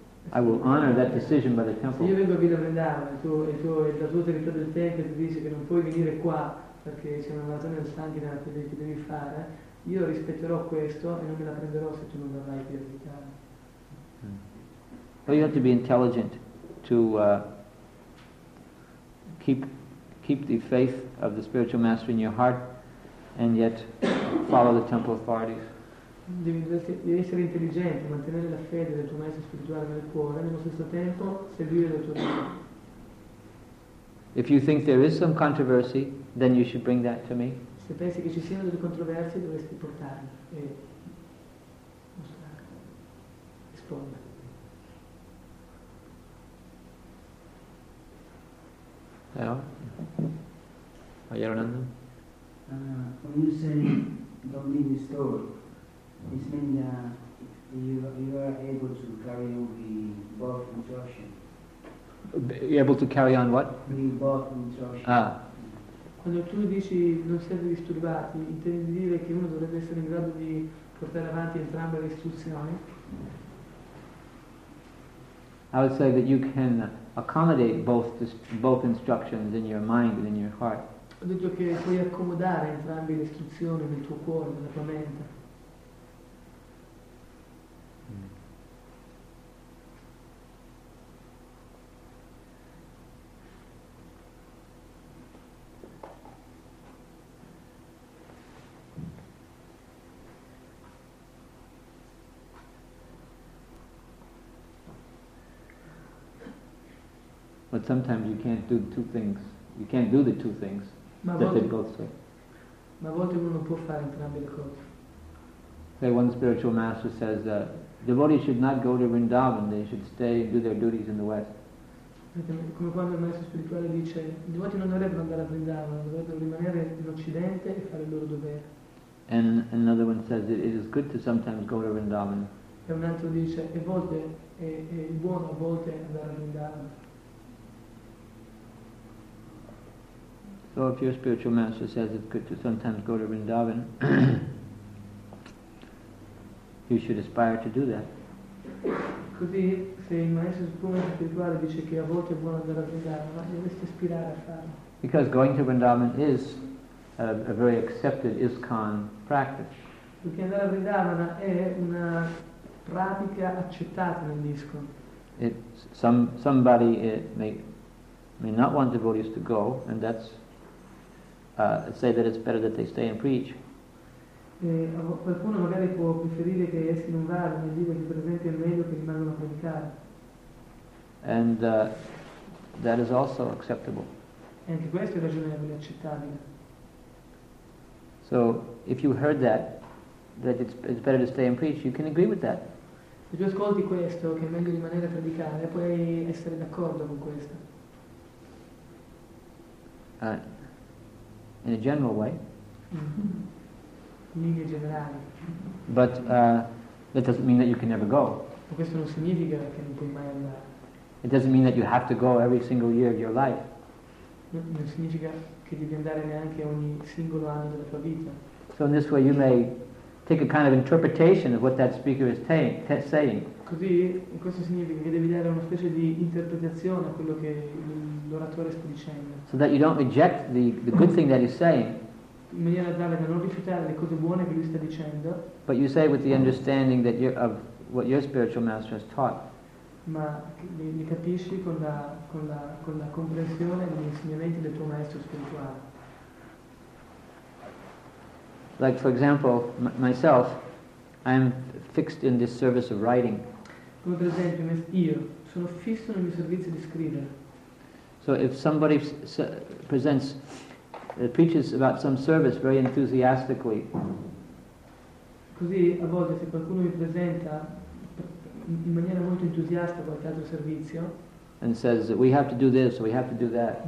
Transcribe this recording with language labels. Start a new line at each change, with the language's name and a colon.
English: I will honor that decision by the temple.
Italian: Se io vengo a Villa Vrindavan e la tua autorità del tempio ti dice che non puoi venire qua perché c'è una maratona del Sankirtan che devi fare, io rispetterò questo e non me la prenderò se tu non verrai qui a visitare.
English: Well, you have to be intelligent to keep the faith of the spiritual master in your heart and yet follow the temple authorities.
Italian: Devi essere intelligente, mantenere la fede del tuo maestro spirituale nel cuore e nello stesso tempo seguire le autorità.
English: If you think there is some controversy, then you should bring that to me.
Italian: Se pensi che ci siano delle controversie, dovresti portarle e rispondere.
English: Yeah. Are you around them? When you say don't be disturbed, it means that you are able to carry on the both instruction. Able to carry on what? The both instruction. Ah.
Italian: Quando tu dici non siete disturbati, intendi dire che uno dovrebbe essere in grado di portare avanti entrambe le istruzioni?
English: I would say that you can accommodate both instructions in your mind and in your heart.
Italian: Ho detto che puoi accomodare entrambe le istruzioni nel tuo cuore, nella tua mente.
English: But sometimes you can't do the two things. You can't do the two things that they both say.
Italian: Ma a volte uno non può fare entrambe le cose.
English: Say one spiritual master says that devotees should not go to Vrindavan, they should stay and do their duties in the West.
Italian: Come quando il maestro spirituale dice, i devoti non dovrebbero andare a Vrindavan, dovrebbero rimanere in Occidente e fare il loro dovere.
English: And another one says that it is good to sometimes go to Vrindavan.
Italian: E un altro dice, a volte è buono a volte andare a Vrindavan.
English: So if your spiritual master says it's good to sometimes go to Vrindavan, you should aspire to do that.
Italian: Così, se il maestro spirituale dice che a volte è buono andare a Vrindavan, ma dovresti aspirare a farlo.
English: Because going to Vrindavan is a very accepted ISKCON practice.
Italian: Perché andare a Vrindavan è una pratica accettata nell'ISKCON.
English: Somebody may not want devotees to go, and that's say that it's better that they stay and preach.
Italian: Qualcuno magari può preferire che essi non vadano e dire che presente è meglio che rimangano a predicare.
English: And that is also acceptable.
Italian: E anche questo è ragionevole, accettabile.
English: So if you heard that it's better to stay and preach, you can agree with that.
Italian: Se tu ascolti questo, che è meglio rimanere a predicare, puoi essere d'accordo con questo.
English: In a general way.
Italian: In linea generale.
English: But that doesn't mean that you can never go.
Italian: Ma questo non significa che non puoi mai andare.
English: It doesn't mean that you have to go every single year of your life.
Italian: Non significa che devi andare neanche ogni singolo anno della tua vita.
English: So in this way you may take a kind of interpretation of what that speaker is saying.
Italian: Così questo significa che devi dare una specie di interpretazione a quello che l'oratore sta dicendo.
English: So that you don't reject the good thing that he's saying.
Italian: In maniera tale da non rifiutare le cose buone che lui sta dicendo.
English: But you say with the understanding that you're of what your spiritual master has taught.
Italian: Ma li capisci con la comprensione degli insegnamenti del tuo maestro spirituale.
English: Like for example, myself, I'm fixed in this service of writing.
Italian: Come per esempio io sono fisso nel mio servizio di scrivere.
English: So if somebody presents, preaches about some service very enthusiastically,
Italian: così a volte se qualcuno mi presenta in maniera molto entusiasta qualche altro servizio.
English: And says that we have to do this, we have to do that.